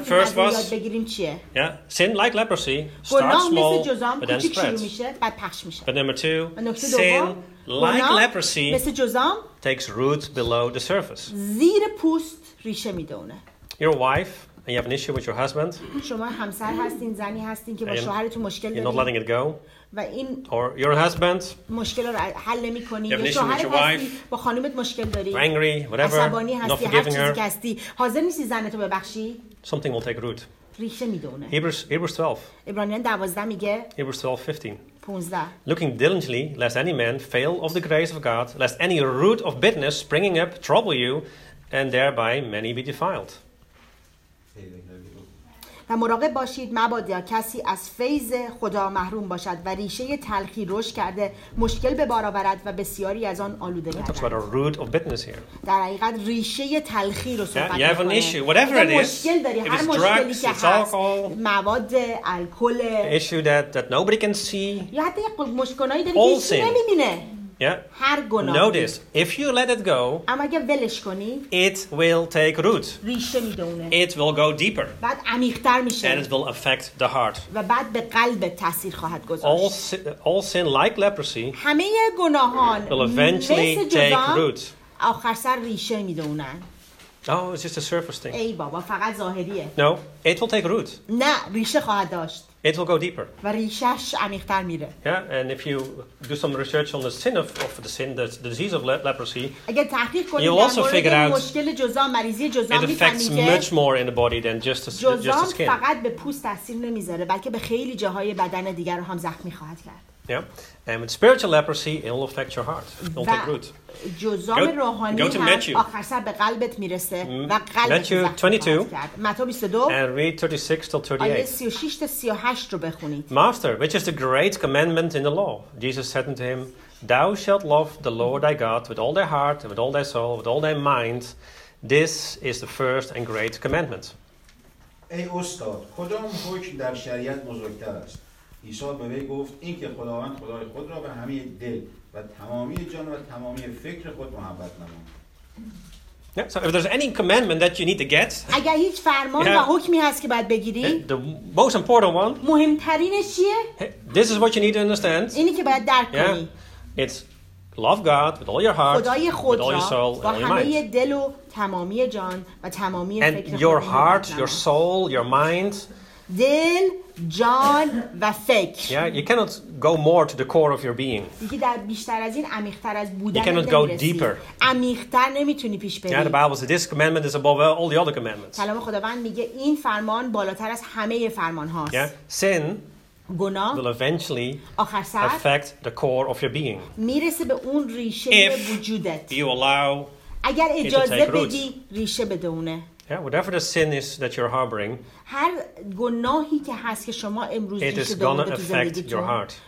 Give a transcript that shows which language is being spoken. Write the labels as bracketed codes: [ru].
[en] first was, yeah, sin like leprosy starts small, but then spreads. But number two, sin like leprosy takes root below the surface. [fa] زیر پوست ریشه میدونه. [en] Your wife, and you have an issue with your husband. [fa] شما همسر هستین، زنی هستین که با شوهرتون مشکل دارین. [en] You're not letting it go. [fa] و این [en] or your husband. [fa] مشکل رو حل نمی‌کنی. [en] You have an issue with your wife. [fa] با خانومت مشکل داری. [en] Angry, whatever. [fa] عصبانی هستی، [en] not forgiving her. [fa] حاضر نیستی زنتو ببخشی؟ [en] Something will take root. [fa] ریشه میدونه. [en] Hebrews 12. [fa] عبرانیان 12 میگه. [en] Hebrews 12:15. Looking diligently, lest any man fail of the grace of God, lest any root of bitterness springing up trouble you, and thereby many be defiled. [fa] و مراقب باشید مبادا کسی از فیض خدا محروم باشد و ریشه تلخی رشد کرده مشکل به بار آورد و بسیاری از آن آلوده گردد. [en] That's about a root of bitterness here. [fa] در حقیقت ریشه تلخی رو صحبت می‌کنه. [en] You have an issue, whatever it is. [fa] هر مشکلی که هست. مواد الکل. [en] Issue that nobody can see. [fa] یا حتی مشکلی داری که کسی نمی‌بینه. [en] Yeah. [fa] هر گناهی. [en] Notice, if you let it go, [fa] اما اگه ولش کنی, [en] it will take root. [fa] ریشه میدونه. [en] It will go deeper. [fa] بعد عمیق‌تر میشه. [en] And it will affect the heart. [fa] و بعد به قلب تأثیر خواهد گذاشت. [en] All sin like leprosy. [fa] همه گناهان [en] will eventually take root. [fa] آخر سر ریشه میدونن. [en] Oh, it's just a surface thing. [fa] ای بابا فقط ظاهریه. [en] No, it will take root. [fa] نه ریشه خواهد داشت. [en] It will go deeper. [fa] و ریشه‌اش عمیق‌تر میره. [en] Yeah, and if you do some research on the sin the disease of leprosy, [fa] اگر تحقیق کنید [en] you'll also figure out [fa] مشکل جزام مریضی جزام [en] it affects much more in the body than just the skin. [fa] فقط به پوست تاثیر نمیذاره بلکه به خیلی جاهای بدن دیگر رو هم زخمی خواهد کرد. [en] Yeah, and with spiritual leprosy it will affect your heart. It will take root. [fa] جزام روحانی هم آخر سر به قلبت میرسه و قلبت زخمی خواهد کرد. متی 22 [en] and read 36 till 38. [fa] 36 تا 38 رو بخونید. [en] Master, which is the great commandment in the law? Jesus said unto him, Thou shalt love the Lord thy God with all thy heart, with all thy soul, with all thy mind. This is the first and great commandment. [fa] ای استاد، کدام حکم در شریعت بزرگتر است؟ عیسی به وی گفت اینکه خداوند خدای خود را به همه دل و تمامی جان و تمامی فکر خود محبت نمون. [en] Yeah, so if there's any commandment that you need to get, [fa] اگر هیچ فرمان و حکمی هست که باید بگیری, [en] the most important one, [fa] مهمترینش چیه? [en] This is what you need to understand. [fa] اینی که باید درک کنی. [en] It's love God with all your heart, with all your soul, [fa] با همه دل و تمامی جان و تمامی فکر [en] And your heart, your soul, your mind. [fa] دل, جان و فکر. [en] Yeah, you cannot go more to the core of your being. [fa] دیگه در بیشتر از این عمیق‌تر از بودن. [en] You cannot go deeper. [fa] عمیق‌تر نمیتونی پیش بری. [en] Yeah, the Bible says this commandment is above all the other commandments. [fa] کلام خداوند میگه این فرمان بالاتر از همه فرمان‌هاست. [en] Yeah, sin [fa] گناه [en] will eventually affect the core of your being. [fa] میرسه به اون ریشه وجودت. [en] If you allow [fa] اگر اجازه بدی ریشه بدونه. [en] Yeah, whatever the sin is that you're harboring, [fa] هر گناهی که هست که شما امروز [en] it is gonna affect your heart.